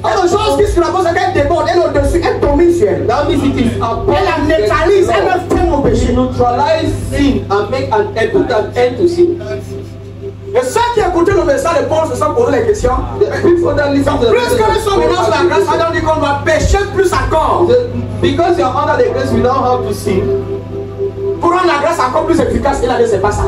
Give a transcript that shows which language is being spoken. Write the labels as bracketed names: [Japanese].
[French] Quelque chose qui surabonde, c'est qu'elle déborde, elle est au-dessus, elle domine sur elle. [English] That means it is above. [French] Elle la neutralise, elle met fin au péché. [English] Neutralise sin and make an end, put an end to sin. [French] Et ceux qui écoutent le message de Paul se sont posés les questions. Plus que nous sommes dans la grâce, on dit qu'on va pécher plus encore. [English] Because you are under the grace, we don't have to sin. [French] Pour rendre la grâce encore plus efficace, il a dit c'est pas ça.